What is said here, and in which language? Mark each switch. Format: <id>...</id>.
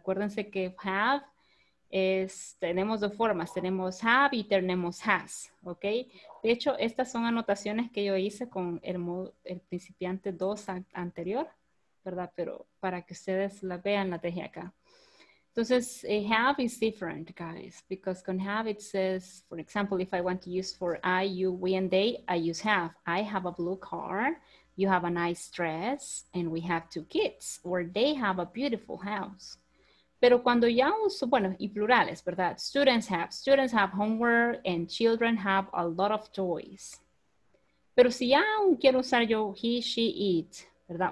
<es>Acuérdense que have es, tenemos dos formas, tenemos have y tenemos has, ¿ok? De hecho, estas son anotaciones que yo hice con el principiante 2 anterior, ¿verdad? Pero para que ustedes la vean, la dejé acá.</es> <en>Entonces, have is different, guys, because con have it says, for example, if I want to use for I, you, we, and they, I use have. I have a blue car. You have a nice dress and we have two kids or they have a beautiful house.</en> <es>Pero cuando ya uso, bueno, y plurales, ¿verdad?</es> <en>Students have homework and children have a lot of toys.</en> <es>Pero si ya quiero usar yo he, she, it, ¿verdad?</es>